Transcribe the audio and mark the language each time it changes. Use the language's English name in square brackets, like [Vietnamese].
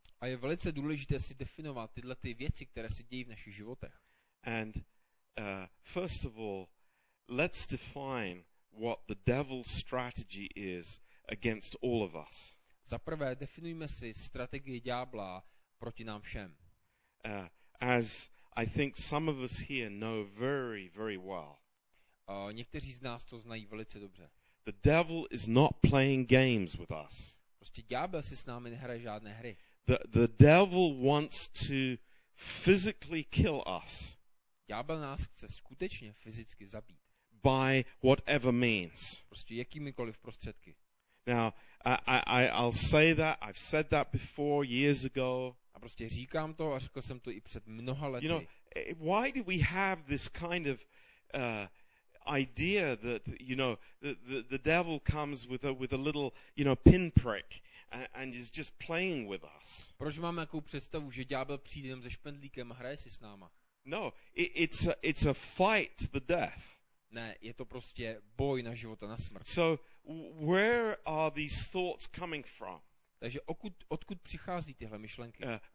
[Czech] A je velice důležité si definovat tyhle ty věci, které se dějí v našich životech. [English] And first of all, let's define what the devil's strategy is against all of us. [Czech] Za prvé definujme si strategii ďábla proti nám všem. [English] As I think some of us here know very, very well. [Czech] Někteří z nás to znají velice dobře. [English] The devil is not playing games with us. [Czech] Prostě ďábel si s námi nehraje žádné hry. [English] The devil wants to physically kill us. [Czech] Ďábel nás chce skutečně fyzicky zabít. [English] By whatever means. [Czech] Prostě jakýmikoliv prostředky. [English] Now, I'll say that, I've said that before, years ago. [Czech] A prostě říkám to a řekl jsem to i před mnoha lety. [English] You know, why do we have this kind of idea that, you know, the devil comes with a little, you know, pinprick and is just playing with us? [Czech] Proč máme jakou představu, že ďábel přijde jenom se špendlíkem a hraje si s náma? [English] No, it's a fight to the death. [Czech] Ne, je to prostě boj na život a na smrt. [English] So, where are these thoughts coming from? [Czech] Takže odkud přichází tyhle myšlenky?